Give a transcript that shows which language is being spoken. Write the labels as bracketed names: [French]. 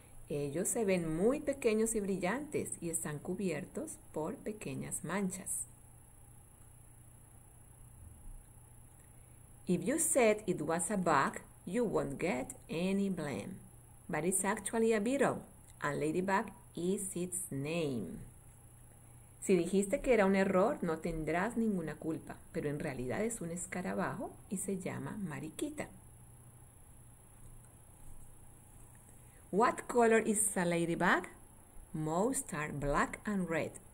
[Spanish] Ellos se ven muy pequeños y brillantes y están cubiertos por pequeñas manchas. [English] If you said it was a bug, you won't get any blame. But it's actually a beetle, and Ladybug is its name. [Spanish] Si dijiste que era un error, no tendrás ninguna culpa, pero en realidad es un escarabajo y se llama Mariquita. [English] What color is a ladybug? Most are black and red.